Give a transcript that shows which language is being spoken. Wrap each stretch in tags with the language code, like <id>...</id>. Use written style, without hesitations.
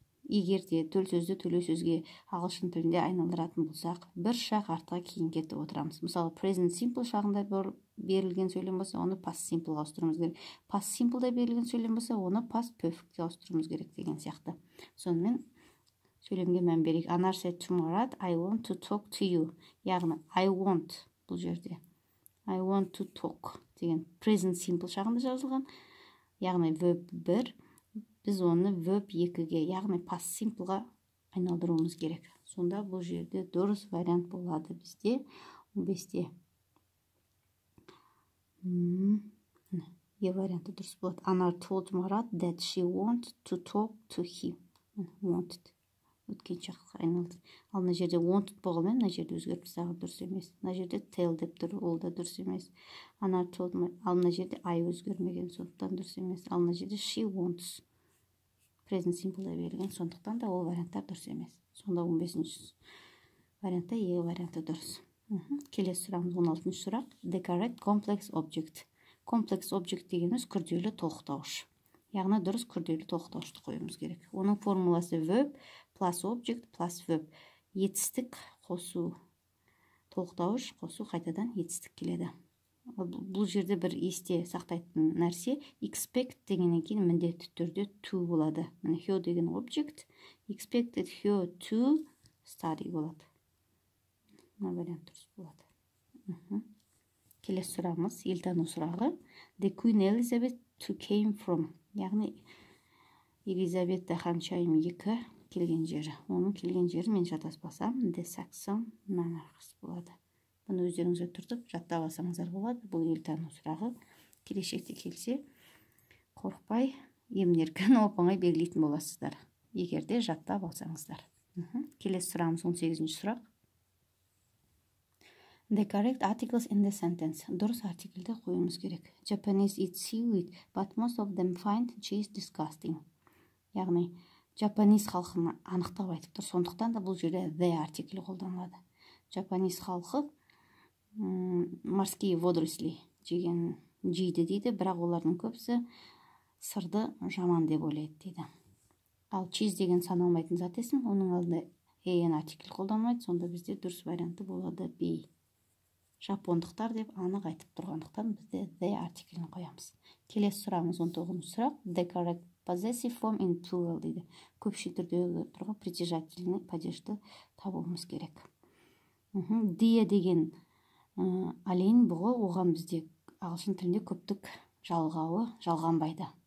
<kk>Егер де төл сөзді төлеу сөзге ағылшын тілінде айналдыратын болсақ, бір шақ артқа кейін кетіп отырамыз. Мысалы, present simple шағында берілген сөйлем болса, оны past simple ауыстыруымыз керек. Past simple-да берілген сөйлем болса, оны past perfect ауыстыруымыз керек деген сияқты. Сонымен сөйлемге мән берейік.</kk> <en>Anar said tomorrow, I want to talk to you.</en> <kk>Яғни, I want бұл жерде.</kk> <en>I want to talk</en> <kk>деген present simple шағында жазылған. Яғни, verb 1. Біз оны verb 2-ге, яғни past simple-ға айналдыруымыз керек. Сонда бұл жерде дұрыс вариант болады бізде 15-те. Е варианты дұрыс болады.</kk> <en>Anar told Marat that she want to talk to him.</en> <kk>Wanted. Өткен шақ айналды. Ал мына жерде wanted болғанмен мына жерде өзгеріп тастаған дұрыс емес. Мына жерде tell деп тұр, ол да дұрыс емес.</kk> <en>Anar told me.</en> <kk>Ал мына жерде I өзгермеген сондықтан дұрыс емес. Ал мына жерде</kk> <en>she wants.</en> <kk>Present simple-да берілген сондықтан да ол варианттар дұрыс емес. Сонда 15-ші вариантта Е варианты дұрыс. Келесі сұрағымыз 16-ші сұрақ.</kk> <en>The correct complex object.</en> <kk>Complex object дегеніміз күрделі тоқтауыш. Яғни дұрыс күрделі тоқтауышты қоюымыз керек. Оның формуласы</kk> <en>verb plus object plus verb.</en> <kk>Етістік қосу, тоқтауыш қосу қайтадан етістік келеді. Бұл жерде бір есте сақтайтын нәрсе expect дегеннен кейін міндетті түрде to болады. Міне he деген object</kk> <en>expected he to study</en> <kk>болады. Мына вариант дұрыс болады. Келесі сұрағымыз елтану сұрағы.</kk> <en>The Queen Elizabeth to came from.</en> <kk>Яғни Елизавета ханшайым 2 келген жері. Оның келген жері мен жатаспасам</kk> <en>the Saxon monarchs</en> <kk>болады. Бұны өздеріңізге тұртып, жаттап алсаңыздар болады. Бұл елтану сұрағы келешекте келсе, қорықпай, емін-еркін оп-оңай белгілейтін боласыздар. Егер де жаттап алсаңыздар. Келесі сұрағымыз 18-ші сұрақ.</kk> <en>The correct articles in the sentence.</en> <kk>Дұрыс артикілді қоюымыз керек.</kk> <en>Japanese eat seaweed, but most of them find cheese disgusting.</en> <kk>Яғни, Japanese халқын анықтап айтып тұр. Сондықтан да бұл жерде the артикілі қолданылады. Japanese халқы</kk> <ru>морские водоросли</ru> <kk>деген жейді дейді, бірақ олардың көпсі сырды жаман деп ойлайды дейді. Ал cheese деген саналмайтын зат есім, оның алдында an article қолданылмайды, сонда бізде дұрыс варианты болады be. Жапондықтар деп анық айтып тұрғандықтан бізде the article-ін қоямыз. Келесі сұрағымыз 19-ші сұрақ.</kk> <en>The correct possessive form in plural дейді.</en> <kk>Көпше түрде тұрған притяжательный падежді табуымыз керек. Die деген олень бұғы оған бізде ағылшын тілінде көптік жалғауы жалғанбайды.</kk>